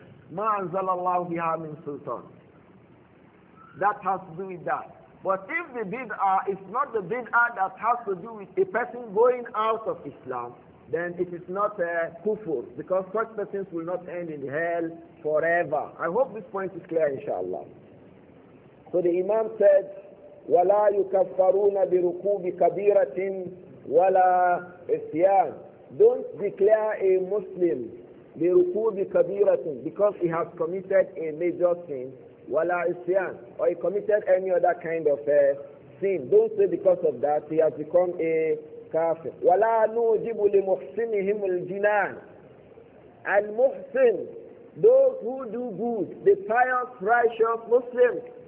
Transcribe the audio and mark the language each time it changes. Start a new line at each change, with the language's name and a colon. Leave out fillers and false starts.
Arabic: Ma anzalallahu biha min sultan.
English: That has to do with that. But if the bid'ah is not the bid'ah that has to do with a person going out of Islam, then it is not a kufur, because such persons will not end in hell forever. I hope this point is clear, inshallah. So the Imam said,
Arabic: وَلَا يُكَفَّرُونَ بِرُكُوبِ كَبِيرَةٍ وَلَا إِسْيَانٍ.
English: Don't declare a Muslim
Arabic: بِرُكُوبِ كَبِيرَةٍ
English: because he has committed a major sin.
Arabic: Wala isyan,
English: or he committed any other kind of sin. Don't say because of that he has become a kafir.
Arabic: Wala nujibu li muhsinihim al-jinan.
English: And muhsin, those who do good, the pious, righteous Muslims.